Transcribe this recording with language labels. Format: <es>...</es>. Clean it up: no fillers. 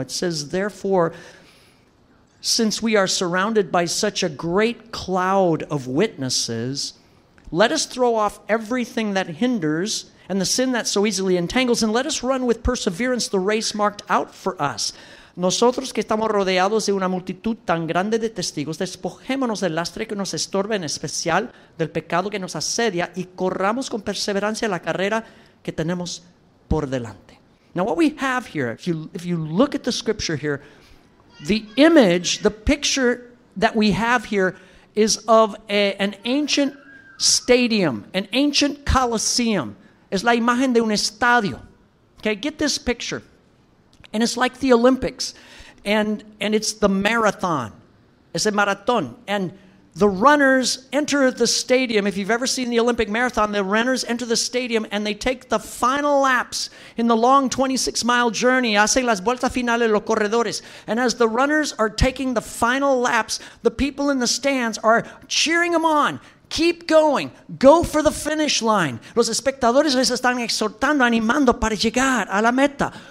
<en>It says, therefore, since we are surrounded by such a great cloud of witnesses, let us throw off everything that hinders and the sin that so easily entangles, and let us run with perseverance the race marked out for us.</en> <es>Nosotros que estamos rodeados de una multitud tan grande de testigos, despojémonos del lastre que nos estorba, en especial del pecado que nos asedia, y corramos con perseverancia la carrera que tenemos por delante.</es> <en>Now what we have here, if you look at the scripture here, the image, the picture that we have here is of an ancient stadium, an ancient coliseum.</en> <es>Es la imagen de un estadio.</es> <en>Okay, get this picture. And it's like the Olympics, and it's the marathon.</en> <es>Es el maratón.</es> <en>And the runners enter the stadium. If you've ever seen the Olympic marathon, the runners enter the stadium and they take the final laps in the long 26-mile journey.</en> <es>Hacen las vueltas finales los corredores.</es> <en>And as the runners are taking the final laps, the people in the stands are cheering them on. Keep going. Go for the finish line.</en> <es>Los espectadores les están exhortando, animando para llegar a la meta.</es>